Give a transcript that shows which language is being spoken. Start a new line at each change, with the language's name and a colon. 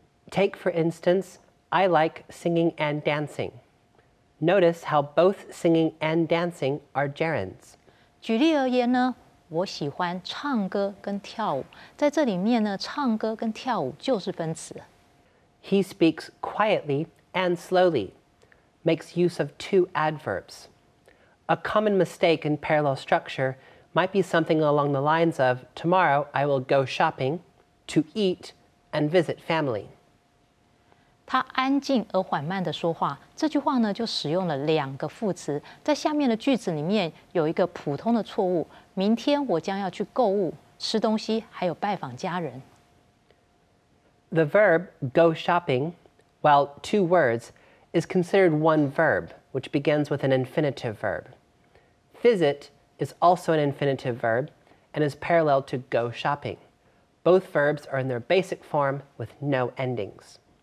English: Take, for instance, I like singing and dancing. Notice how both singing and dancing are gerunds.
Chinese: 举例而言呢，我喜欢唱歌跟跳舞。在这里面呢，唱歌跟跳舞就是分词。
English: He speaks quietly and slowly, makes use of two adverbs. A common mistake in parallel structure might be something along the lines of, tomorrow I will go shopping, to eat, and visit family.
Chinese: 他安静而缓慢地说话，这句话呢就使用了两个副词，在下面的句子里面有一个普通的错误，明天我将要去购物、吃东西，还有拜访家人。
English: The verb go shopping, while two words, is considered one verb, which begins with an infinitive verb. Visit is also an infinitive verb, and is parallel to go shopping. Both verbs are in their basic form with no endings.